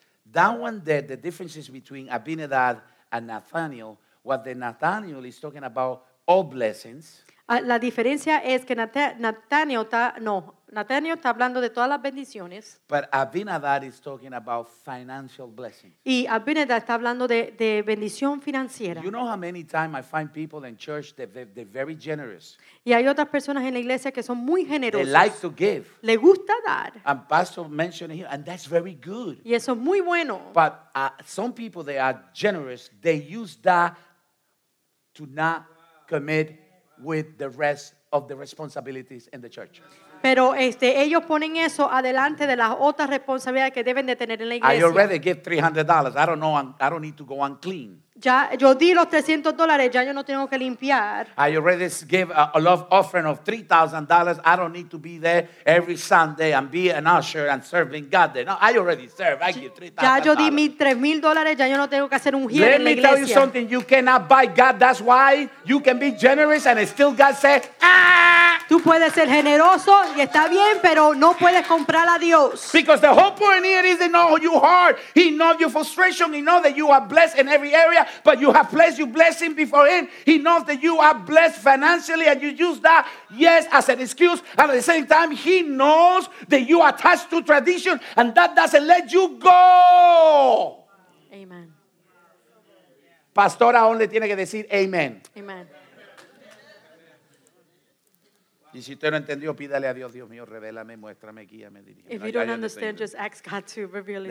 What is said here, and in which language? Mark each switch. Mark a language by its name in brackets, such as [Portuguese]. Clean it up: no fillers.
[English] That one there, the differences between Abinadab and Nathaniel. What the Nathaniel is talking about, all blessings. [Spanish] La diferencia es que Nathaniel está hablando de todas las bendiciones. [English] But Abinadab is talking about financial blessings. [Spanish] Y Abinadab está hablando de bendición financiera. [English] You know how many times I find people in church that they're very generous. [Spanish] Y hay otras personas en la iglesia que son muy generosos. [English] They like to give. [Spanish] Le gusta dar. [English] And Pastor mentioned here, and that's very good. [Spanish] Y eso es muy bueno. [English] But some people, they are generous. They use that to not commit with the rest of the responsibilities in the church. [Spanish] Pero ellos ponen eso adelante de las otras responsabilidades que deben de tener en la iglesia. [English] I already give $300. I don't know. I don't need to go unclean. [Spanish] Ya, yo di los $300. Ya yo no tengo que limpiar. [English] I already give a love offering of $3,000. I don't need to be there every Sunday and be an usher and serving God there. No, I already serve. I give $3,000. [Spanish] Ya yo di mis $3,000. Ya yo no tengo que hacer un giro en la iglesia. [English] Let me tell you something. You cannot buy God. That's why you can be generous and still God say, ah! [Spanish] Tú puedes ser generoso y está bien, pero no puedes comprar a Dios. [English] Because the whole point here is to know your heart. He knows your frustration. He knows that you are blessed in every area, but you have placed your blessing before Him. He knows that you are blessed financially, and you use that, yes, as an excuse. And at the same time, He knows that you are attached to tradition, and that doesn't let you go. Amen. [Spanish] Pastora only tiene que decir amen. Amen. Y si usted no entendió, pídale a Dios, Dios mío, revélame, muéstrame, guíame, dirígeme. [English] If you don't understand, just ask God to reveal it.